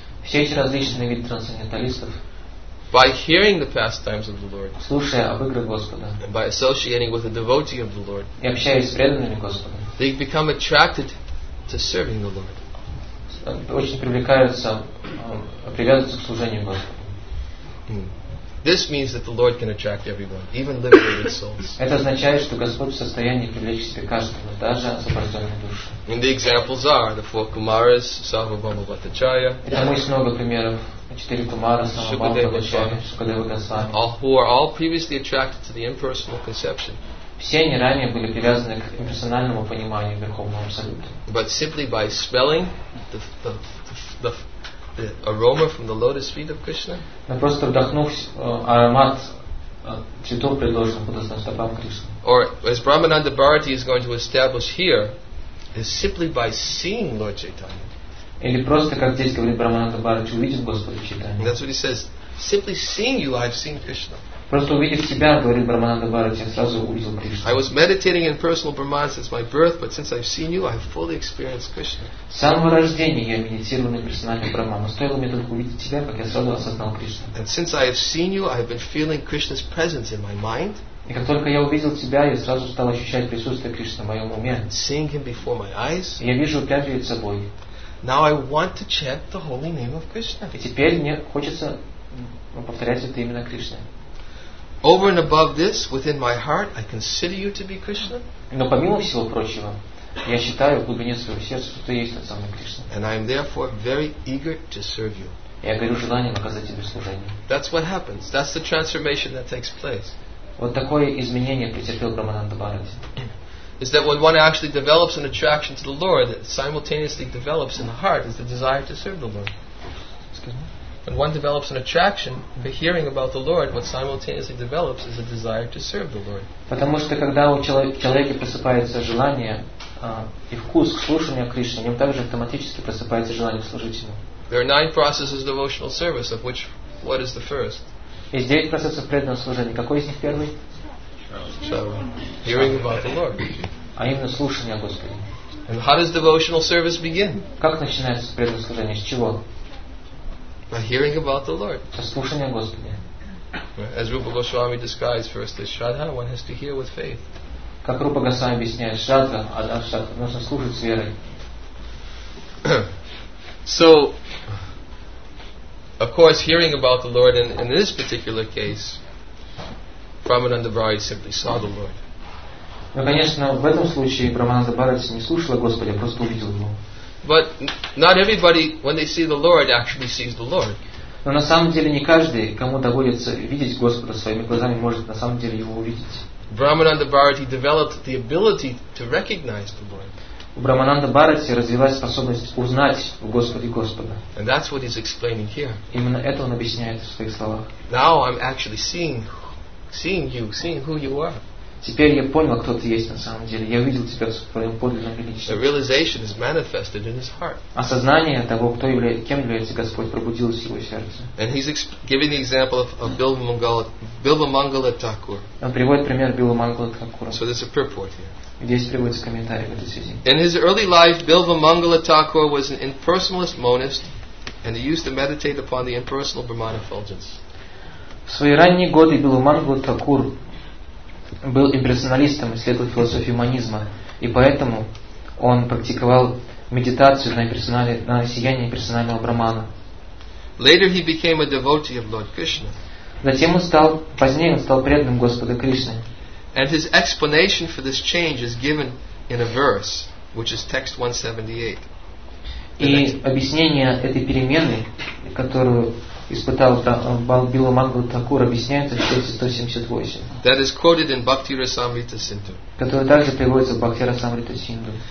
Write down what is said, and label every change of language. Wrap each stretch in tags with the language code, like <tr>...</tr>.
<ru>Все эти различные виды трансценденталистов.</ru> <en>By hearing the pastimes of the Lord.</en> <ru>Слушая об играх Господа.</ru> <en>And by associating with a devotee of the Lord.</en> <ru>И общаясь с преданными Господа.</ru> <en>They become attracted to serving the Lord.</en> <ru>Очень привлекаются, привязываются к служению Господу.</ru> <en>This means that the Lord can attract everyone, even liberated souls.</en> <ru>Это означает, что Господь в состоянии привлечь к себе каждого, даже освобожденную душу.</ru> <en>And the examples are the four Kumaras, Sarvabhauma Bhattacharya.</en> <ru>И там есть много примеров: четыре Кумара, Сарвабхаума Бхаттачарья, Шукадева Госвами.</ru> <en>All who are all previously attracted to the impersonal conception.</en> <ru>Все они ранее были привязаны к имперсональному пониманию Верховного Абсолюта.</ru> <en>But simply by smelling the aroma from the lotus feet of Krishna.</en> <ru>Но просто вдохнув аромат цветов, предложенных Буддхасан стопам Кришны.</ru> <en>Or as Brahmananda Bharati is going to establish here, is simply by seeing Lord Chaitanya.</en> <ru>Или просто, как здесь говорит Брахмананда Бхарати, увидев Господа Чайтанью.</ru> <en>That's what he says. Simply seeing you, I've seen Krishna.</en> <ru>Просто увидев тебя, говорит Брахмананда Бхарати, я сразу увидел Кришну.</ru> <en>I was meditating in personal Brahman since my birth, but since I've seen you, I've fully experienced Krishna.</en> <ru>С самого рождения я медитировал на персональном Брахмане. Стоило мне только увидеть тебя, как я сразу осознал Кришну.</ru> <en>And since I have seen you, I have been feeling Krishna's presence in my mind.</en> <ru>И как только я увидел тебя, я сразу стал ощущать присутствие Кришны в моем уме.</ru> <en>And seeing him before my eyes.</en> <ru>Я вижу прямо перед собой.</ru> <en>Now I want to chant the holy name of Krishna.</en> <ru>И теперь мне хочется повторять это имя Кришны.</ru> <en>Over and above this, within my heart, I consider you to be Krishna.</en> <ru>Но помимо всего прочего, я считаю в глубине своего сердца, что ты есть тот самый Кришна.</ru> <en>And I am therefore very eager to serve you.</en> <ru>Я горю желанием оказать тебе служение.</ru> <en>That's what happens. That's the transformation that takes place.</en> <ru>Вот такое изменение претерпел Брахмананда Бхарати.</ru> <en>Is that when one actually develops an attraction to the Lord, it simultaneously develops in the heart is the desire to serve the Lord. Excuse me. When one develops an attraction for hearing about the Lord, what simultaneously develops is a desire to serve the Lord.</en> <ru>Потому что когда у человека просыпается желание и вкус к слушанию Кришны, у него также автоматически просыпается желание служить ему.</ru> <en>There are 9 processes of devotional service, of which what is the first?</en> <ru>Есть 9 процессов преданного служения. Какой из них первый?</ru> <en>Hearing about the Lord.</en> <ru>А именно слушание о Господе.</ru> <en>And how does devotional service begin?</en> <ru>Как начинается преданное служение? С чего?</ru> <en>By hearing about the Lord.</en> <ru>Со слушания о Господе.</ru> <en>As Rupa Goswami describes first as Shraddha, one has to hear with faith.</en> <ru>Как Рупа Госвами объясняет, Shraddha, нужно слушать с верой.</ru> <en>So, of course, hearing about the Lord in this particular case, Brahmananda Bharati simply saw the Lord.</en> <ru>Но, конечно, в этом случае Брахмананда Бхарати не слушал Господа, а просто увидел его.</ru> <en>But not everybody, when they see the Lord, actually sees the Lord.</en> <ru>Но на самом деле не каждый, кому доводится видеть Господа своими глазами, может на самом деле его увидеть.</ru> <en>Brahmananda Bharati developed the ability to recognize the Lord.</en> <ru>У Брахмананда Бхарати развилась способность узнать в Господе Господа.</ru> <en>And that's what he's explaining here.</en> <ru>Именно это он объясняет в своих словах.</ru> <en>Now I'm actually seeing who you are.</en> <ru>Теперь я понял, кто ты есть на самом деле. Я видел тебя в своем подлинном величии.</ru> <en>The realization is manifested in his heart.</en> <ru>Осознание того, кто является, кем является Господь, пробудилось в его сердце.</ru> <en>And he's giving the example of Bilva Mangala Thakur.</en> <ru>Он приводит пример Билва Мангала Такура.</ru> <en>So there's a purport here.</en> <ru>Здесь приводится комментарий в этой связи.</ru> <en>In his early life, Bilva Mangala Thakur was an impersonalist monist, and he used to meditate upon the impersonal Brahman effulgence.</en> <ru>В свои ранние годы Билва Мангала Такур был имперсоналистом, исследовал философию монизма, и поэтому он практиковал медитацию на сияние имперсонального брахмана.</ru> <en>Later he became a devotee of Lord Krishna.</en> <ru>Затем позднее он стал преданным Господа Кришны.</ru> <en>And his explanation for this change is given in a verse, which is text 178.</en> <ru>И объяснение этой перемены, которую испытал Билва Мангала Такур, объясняется в тексте 178.</ru> <en>That is quoted in Bhakti Rasamrita Sindhu.</en> <ru>Который также приводится в Бхакти Расамрита Синду.</ru>